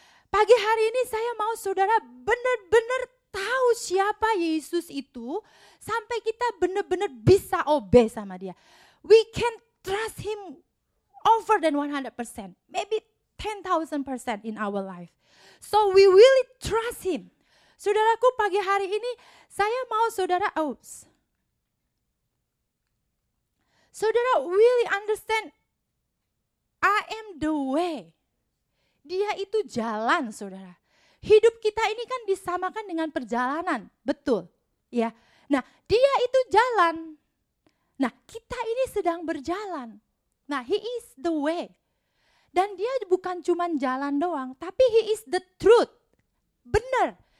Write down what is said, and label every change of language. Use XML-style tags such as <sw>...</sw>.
<id>Pagi hari ini saya mau saudara benar-benar tahu siapa Yesus itu. Sampai kita benar-benar bisa obey sama dia.</id> <en>We can trust him over than 100%. Maybe 10,000% in our life. So we really trust him.</en> <id>Saudaraku, pagi hari ini saya mau saudara...</id> <en>Saudara really understand, I am the way.</en> <id>Dia itu jalan, saudara. Hidup kita ini kan disamakan dengan perjalanan, betul, ya. Nah, dia itu jalan. Nah, kita ini sedang berjalan. Nah,</id> <en>he is the way.</en> <id>Dan dia bukan cuma jalan doang, tapi</id> <en>he is the truth.</en> <id>Benar.</id>